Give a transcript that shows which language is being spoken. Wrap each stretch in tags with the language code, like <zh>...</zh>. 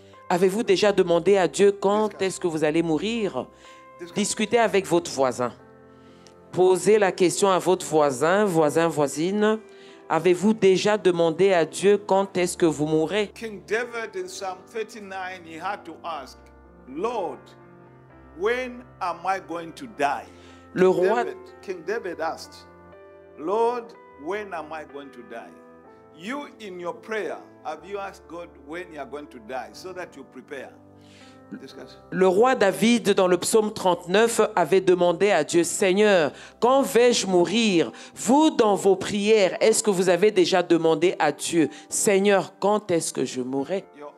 <fr>Avez-vous déjà demandé à Dieu quand est-ce que vous allez mourir? Discutez avec votre voisin. Posez la question à votre voisine. Avez-vous déjà demandé à Dieu quand est-ce que vous mourrez?</fr> <en>King David, in Psalm 39, he had to ask, Lord, when am I going to die?</en> <fr>Le roi...</fr> <en>King David asked, Lord, when am I going to die? You, in your prayer, have you asked God when you are going to die so that you prepare?</en> <fr>Le roi David, dans le psaume 39, avait demandé à Dieu, « Seigneur, quand vais-je mourir ? Vous, dans vos prières, est-ce que vous avez déjà demandé à Dieu, « Seigneur, quand est-ce que je mourrai ?»</fr>